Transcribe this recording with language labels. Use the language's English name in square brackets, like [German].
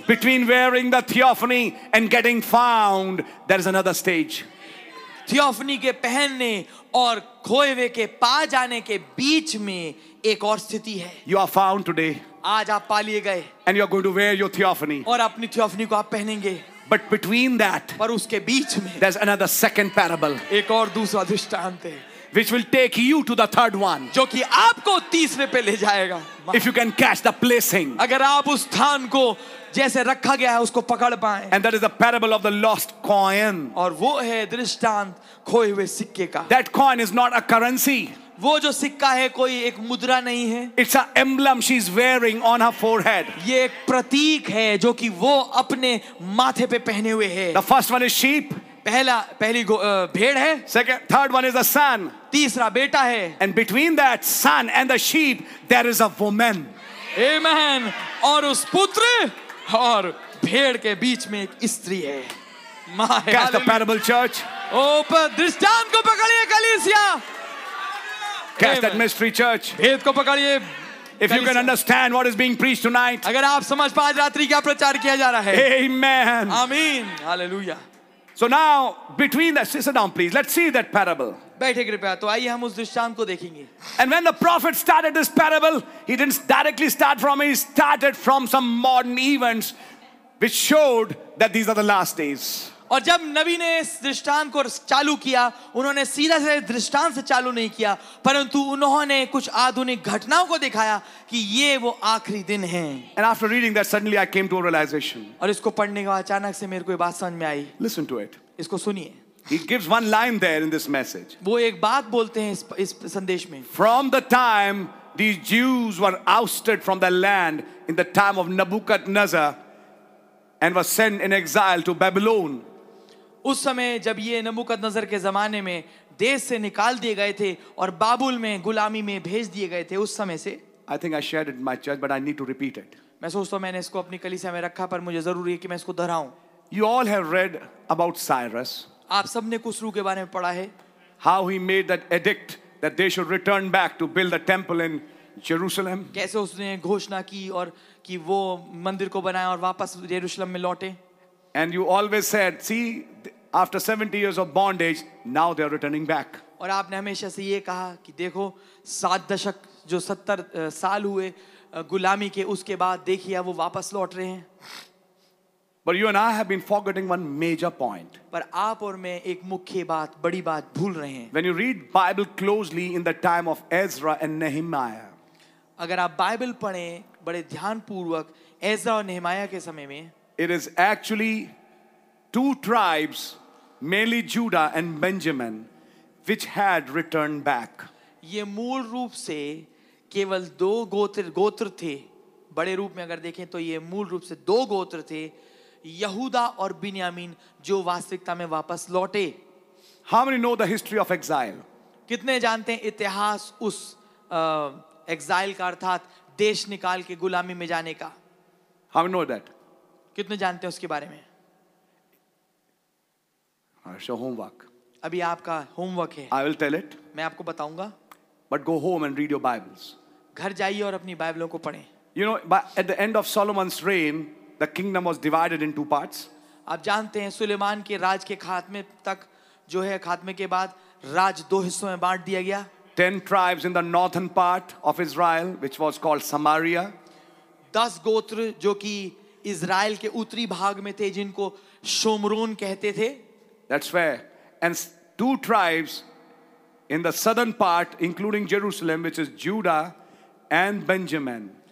[English] Between wearing the theophany and getting found, there is another stage. [Hindi] Theophany के पहनने और खोए हुए के पा जाने के बीच में एक और स्थिति है. [English] You are found today. [Hindi] आज आप पा लिए गए. [English] And you are going to wear your theophany. [Hindi] और अपनी theophany को आप पहनेंगे. [English] But between that, [Hindi] पर उसके बीच में, [English] there's another second parable. [Hindi] एक और दूसरा दृष्टांत है. [English] Which will take you to the third one. [Hindi] जो कि आपको तीसरे पे ले जाएगा. [English] If you can catch the placing. [Hindi] अगर आप उस स्थान को जैसे रखा गया है उसको पकड़ पाएं. [English] And that is the parable of the lost coin. [Hindi] और वो है दृष्टांत खोए हुए सिक्के का. [English] That coin is not a currency. [Hindi] वो जो सिक्का है कोई एक मुद्रा नहीं है. [English] It's an emblem she's wearing on her forehead. [Hindi] ये एक प्रतीक है जो कि वो अपने माथे पे पहने हुए है. [English] The first one is sheep. [Hindi] पहला पहली भेड़ है. [English] Second, third one is a son. [Hindi] तीसरा बेटा है. [English] And between that son and the sheep, there is a woman. Amen. [Hindi] और उस पुत्र और भेड़ के बीच में एक स्त्री है. [English] Catch the parable, church. [Hindi] दृष्टांत को पकड़िए कलीसिया. [English] Catch that mystery, church. [Hindi] भेद को पकड़िए. [English] If you can understand what is being preached tonight. [Hindi] अगर आप समझ पाए आज रात्रि क्या प्रचार किया जा रहा है. [English] Amen. Amen. Hallelujah. So now, between the, sit down please, let's see that parable. [Hindi] बैठे कृपया तो आइए हम उस दृष्टांत को देखेंगे. [English] And when the prophet started this parable, he didn't directly start from it, he started from some modern events which showed that these are the last days. [Hindi] और जब नबी ने इस दृष्टांत को चालू किया उन्होंने सीधा से दृष्टांत से चालू नहीं किया परंतु उन्होंने कुछ आधुनिक घटनाओं को दिखाया कि ये वो आखिरी दिन हैं. [English] And after reading that, suddenly I came to a realization. [Hindi] और इसको पढ़ने के बाद अचानक से मेरे को ये बात समझ में आई. [English] Listen to it. [Hindi] इसको सुनिए. [English] He gives one line there in this message. [Hindi] वो एक बात बोलते हैं इस संदेश में. [English] From the time these Jews were ousted from the land in the time of Nebuchadnezzar and were sent in exile to Babylon. [Hindi] उस समय जब ये नबूकदनज़र के जमाने में देश से निकाल दिए गए थे और बाबुल में गुलामी में भेज दिए गए थे उस समय से. [English] I think I shared it in my church, but I need to repeat it. [Hindi] मैं सोचता हूँ मैंने इसको अपनी कलीसिया में रखा पर मुझे जरूरी है कि मैं इसको दोहराऊं. [English] You all have read about Cyrus. [Hindi] आप सब ने कुसरू के बारे में पढ़ा है. [English] How he made that edict that they should return back to build the temple in Jerusalem. [Hindi] कैसे उसने घोषणा की और कि वो मंदिर को बनाए और वापस यरूशलम में लौटे. [English] And you always said, see, after 70 years of bondage, now they are returning back. [Hindi] और आपने हमेशा से ये कहा कि देखो सात दशक जो 70 साल हुए गुलामी के उसके बाद देखिए वो वापस लौट रहे हैं. [English] But you and I have been forgetting one major point. [Hindi] पर आप और मैं एक मुख्य बात बड़ी बात भूल रहे हैं. [English] When you read Bible closely in the time of Ezra and Nehemiah. [Hindi] अगर आप बाइबल पढ़ें बड़े ध्यानपूर्वक एज़रा और नहमाया के समय में. [English] It is actually two tribes, mainly Judah and Benjamin, which had returned back. [Hindi] ये मूल रूप से केवल दो गोत्र थे. बड़े रूप में अगर देखें तो ये मूल रूप से दो गोत्र थे, यहूदा और बिन्यामीन, जो वास्तविकता में वापस लौटे. [English] How many know the history of exile? [Hindi] कितने जानते हैं इतिहास उस एग्जाइल का, अर्थात देश निकाल के गुलामी में जाने का? [English] How many know that? [Hindi] कितने जानते हैं उसके बारे में? [English] homework, [Hindi] अभी आपका होमवर्क है. [English] I will tell it. [Hindi] मैं आपको बताऊंगा. [English] But go home and read your Bibles. [Hindi] घर जाइए और अपनी बाइबलों को पढ़ें. [English] You know, by, at the end of Solomon's reign, the kingdom was divided in two parts. [Hindi] आप जानते हैं सुलेमान के राज के खात्मे तक जो है, खात्मे के बाद राज दो हिस्सों में बांट दिया गया. [English] 10 tribes in the northern part of Israel, which was called Samaria. [Hindi] 10 गोत्र जो कि इज़राइल के उत्तरी भाग में थे, जिनको शोमरोन कहते थे. [English] That's where. And 2 tribes in the southern part, including Jerusalem, which is Judah and Benjamin.